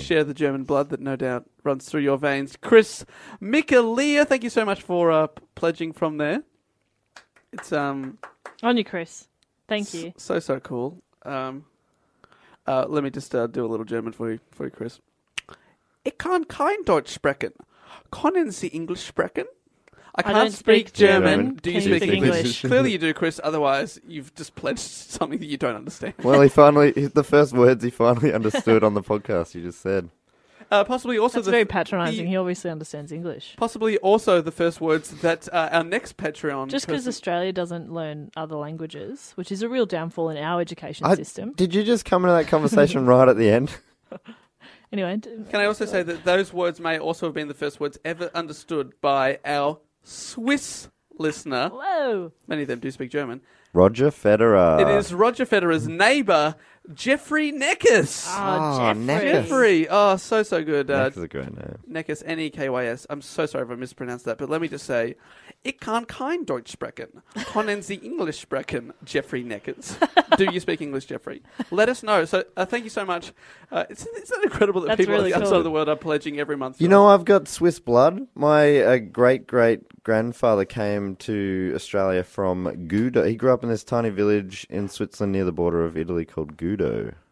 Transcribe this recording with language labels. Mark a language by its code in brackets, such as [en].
[en] Share the German blood that no doubt runs through your veins. Chris Mikkelia, thank you so much for pledging from there. It's on you, Chris. Thank you. So cool. Let me just do a little German for you, Chris. [de] Ich kann kein Deutsch sprechen. Können Sie Englisch sprechen? [en] I can't speak German. Do you speak English? Clearly you do, Chris. Otherwise, you've just pledged something that you don't understand. Well, the first words he finally understood on the podcast you just said. Very patronising. He obviously understands English. Possibly also the first words that our next Patreon... Just because Australia doesn't learn other languages, which is a real downfall in our education system. Did you just come into that conversation right at the end? Anyway. Can I also say that those words may also have been the first words ever understood by our Swiss listener. Hello. Many of them do speak German. Roger Federer. It is Roger Federer's neighbour, Jeffrey Neckes. Jeffrey. Oh, so good. Neckes is a great name. Neckes, N-E-K-Y-S. I'm so sorry if I mispronounced that, but let me just say, [de] ich kann kein Deutsch sprechen. Können Sie Englisch sprechen, Jeffrey Neckes? [en] Do you speak English, Jeffrey? Let us know. So thank you so much. It's not incredible that people really outside of the world are pledging every month. I've got Swiss blood. My great-great grandfather came to Australia from Gouda. He grew up in this tiny village in Switzerland near the border of Italy called Gudo.